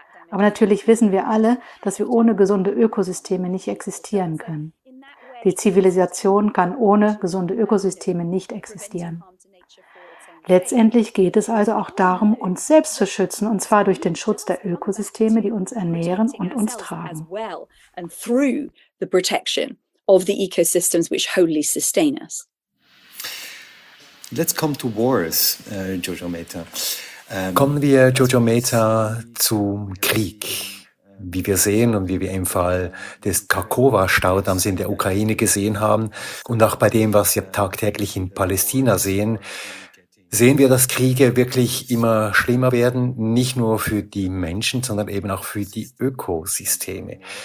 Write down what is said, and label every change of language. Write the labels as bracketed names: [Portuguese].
[German] Aber natürlich wissen wir alle, dass wir ohne gesunde Ökosysteme nicht existieren können. Die Zivilisation kann ohne gesunde Ökosysteme nicht existieren. Letztendlich geht es also auch darum, uns selbst zu schützen, und zwar durch den Schutz der Ökosysteme, die uns ernähren und uns tragen. [English] And through the protection of the ecosystems which wholly sustain us. Let's come to wars, Giorgio Meta. [German] Kommen wir, Giorgio Meta, zum Krieg. Wie wir sehen und wie wir im Fall des Kakhovka-Staudamms in der Ukraine gesehen haben und auch bei dem, was wir tagtäglich in Palästina sehen, sehen wir, dass Kriege wirklich immer schlimmer werden, nicht nur für die Menschen, sondern eben auch für die Ökosysteme.